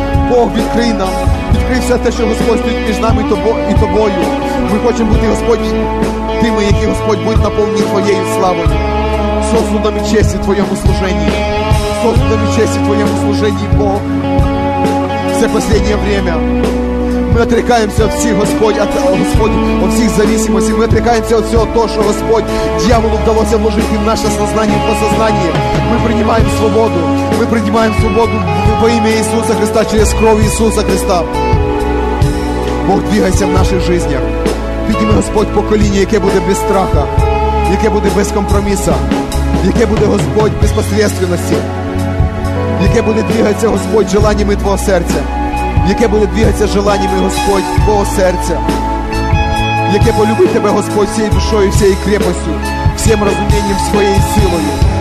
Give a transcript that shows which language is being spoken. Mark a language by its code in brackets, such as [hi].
[uk] Бог, відкрий нам, відкрий все те, що Господь стоїть між нами і Тобою. Ми хочемо бути, Господь, тими, які, Господь, будуть наповнені Твоєю славою, сосудами честі в Твоєму служенні. Сосудами честі в Твоєму служенні, Бог. [ru] Все последнє время Мы отрекаемся от всех, Господь, от всех зависимостей. Мы отрекаемся от всего того, что, Господь, дьяволу удалось вложить в наше сознание, в подсознание. Мы принимаем свободу. Мы принимаем свободу во имя Иисуса Христа, через кровь Иисуса Христа. Бог, двигайся в наших жизнях. [uk] Видимо, Господь, поколение, яке буде [ru] без страха, [uk] яке буде без компроміса, яке буде, Господь, без посредственності, яке буде двигатися, Господь, [ru] желаннями [uk] Твого серця, яке буде двигатися желаннями, Господь, Твого серця, яке полюбить Тебе, Господь, всією душою, всією крепостю, всім розумінням, своєю силою.